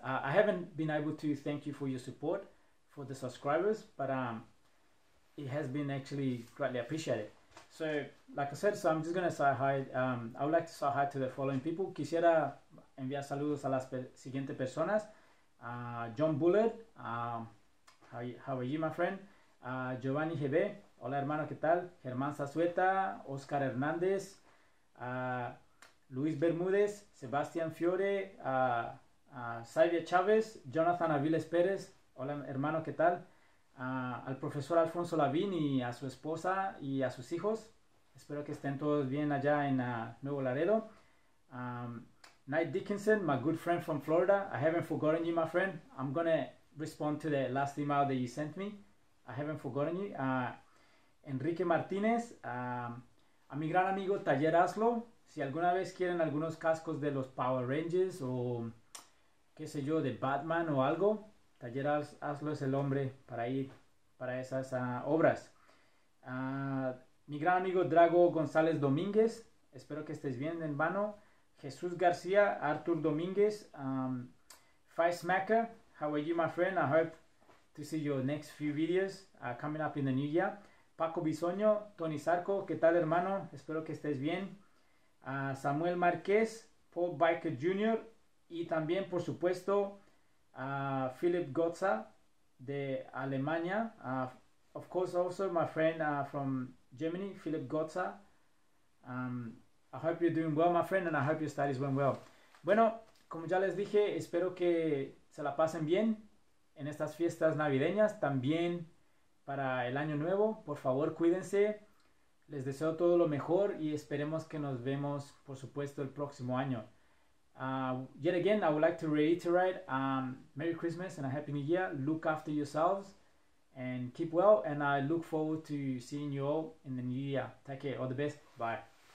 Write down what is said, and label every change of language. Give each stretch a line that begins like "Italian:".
English: I haven't been able to thank you for your support for the subscribers, but it has been actually greatly appreciated. So, like I said, so I'm just going to say hi. I would like to say hi to the following people.
Spanish: Quisiera enviar saludos a las pe siguientes personas.
English: John Bullard, how are you, my friend?
Spanish: Giovanni GB, hola hermano, ¿qué tal? Germán Zazueta, Oscar Hernández, Luis Bermúdez, Sebastián Fiore, Xavier Chávez, Jonathan Aviles Pérez, hola hermano, ¿qué tal? Al profesor Alfonso Lavín y a su esposa y a sus hijos. Espero que estén todos bien allá en Nuevo Laredo.
English: Knight Dickinson, my good friend from Florida. I haven't forgotten you, my friend. I'm gonna respond to the last email that you sent me. I haven't forgotten you. Enrique Martínez,
Spanish: a mi gran amigo
English: Taller Aslo.
Spanish: Si alguna vez quieren algunos cascos de los Power Rangers o qué sé yo, de Batman o algo. Taller Aslo es el hombre para ir para esas obras. Mi gran amigo Drago González Domínguez, espero que estés bien, hermano.
English: Jesús García, Arthur Domínguez, Five Smacker, how are you, my friend? I hope to see your next few videos coming up in the new year.
Spanish: Paco Bisoño, Tony Sarco, ¿qué tal, hermano? Espero que estés bien. Samuel Márquez, Paul Biker Jr. y también, por supuesto, a Philip Gotza de Alemania,
English: of course also my friend from Germany,
Spanish: Philip Gotza.
English: I hope you're doing well, my friend, and I hope your studies went well.
Spanish: Bueno, como ya les dije, espero que se la pasen bien en estas fiestas navideñas, también para el año nuevo. Por favor, cuídense. Les deseo todo lo mejor y esperemos que nos vemos, por supuesto, el próximo año.
English: Yet again, I would like to reiterate, Merry Christmas and a Happy New Year. Look after yourselves and keep well, and I look forward to seeing you all in the new year. Take care, all the best, bye.